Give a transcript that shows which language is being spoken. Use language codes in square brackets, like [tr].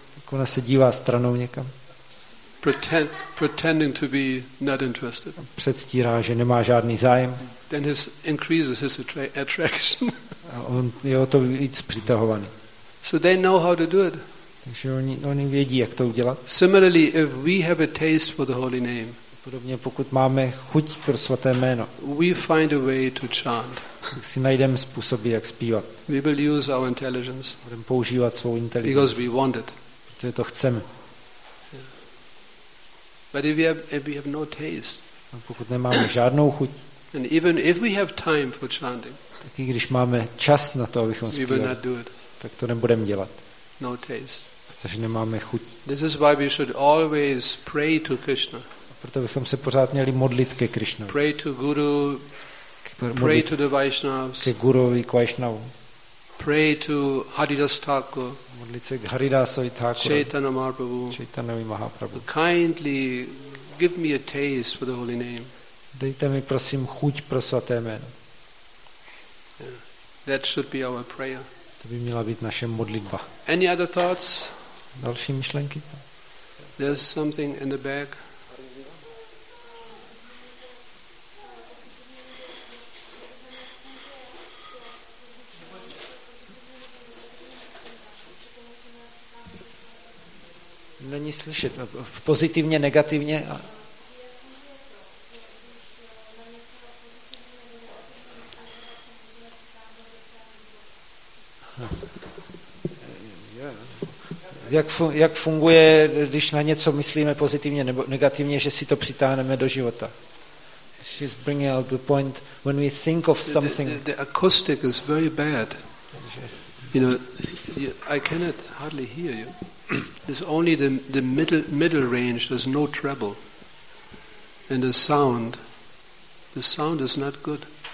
[cs] Tak ona se dívá stranou někam. [en] Pretending to be not interested. [cs] Předstírá, že nemá žádný zájem. [en] Then his increases his attraction. [cs] A on je o to víc přitahovaný. [en] So they know how to do it. [cs] Takže oni vědí, jak to udělat. [en] Similarly, if we have a taste for the holy name. [cs] Podobně, pokud máme chuť pro svaté jméno. [en] We find a way to chant. [cs] Si najdeme způsoby, jak zpívat. [en] We will use our intelligence. [cs] Budeme používat svou inteligenci. [en] Because we want it. [cs] Protože to chceme. [en] But if we have no taste. [cs] Pokud nemáme žádnou chuť. [en] And even if we have time for chanting. [cs] Tak i když máme čas na to, abychom zpívali. [en] We will not do it. [cs] Tak to nebudeme dělat. [en] No taste. [cs] Takže nemáme chuť. [en] This is why we should always pray to Krishna. [cs] Proto bychom se pořád měli modlit ke Krishna. [en] Pray to guru. Pray to the Vaishnavas. [cs] Ke guruvi, k Vaishnavům. [en] Pray to Haridas Thakur. [cs] Modlit se k Haridasovi Thakurovi. [en] Chaitanya Mahaprabhu. [cs] Chaitanyovi Mahaprabhu. [en] Kindly give me a taste for the holy name. [cs] Dejte mi prosím chuť pro svaté jméno. [en] That should be our prayer. [cs] To by měla být naše modlitba. [en] Any other thoughts? [cs] Další myšlenky? [en] There's something in the back. [cs] Není slyšet. Pozitivně, negativně. Jak funguje, když na něco myslíme pozitivně nebo negativně, že si to přitáhneme do života? [en] She's bringing out the point when we think of something. The acoustic is very bad. You know, I cannot hardly hear you. It's only the middle range. There's no treble, and the sound is not good.